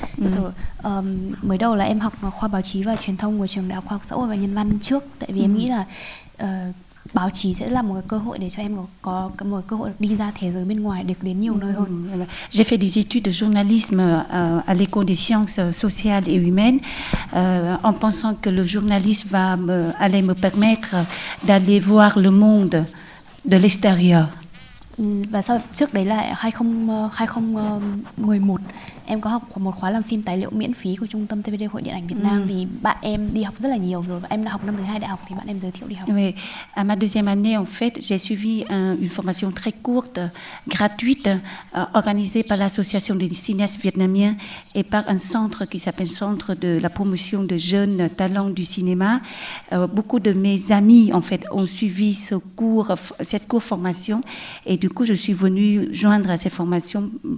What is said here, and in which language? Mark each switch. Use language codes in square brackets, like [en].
[vi] So mới đầu là em học khoa báo chí và truyền thông của trường Đại học Khoa học Xã hội và Nhân văn trước, tại vì em nghĩ là báo chí sẽ là một cơ hội để cho em có một cơ hội đi ra thế giới bên ngoài, được đến nhiều nơi hơn. [fr] J'ai fait des études de journalisme à l'École des sciences sociales et humaines en pensant que le journalisme allait me permettre d'aller voir le monde de l'extérieur. [vi] Và sau trước đấy là 2011 em có học một khóa làm phim tài liệu miễn phí của Trung tâm TVD Hội Điện ảnh Việt Nam vì bạn em đi học rất là nhiều rồi và em đã học năm thứ hai đại học thì bạn em giới thiệu đi học. [fr] Oui. À ma deuxième année en fait, j'ai suivi une formation très courte gratuite organisée par l'association des cinéastes vietnamiens et par un centre qui s'appelle Centre de la promotion de jeunes talents du cinéma. Beaucoup de mes amis en fait ont suivi ce cours, cette courte formation et du coup je suis venue joindre à ces formations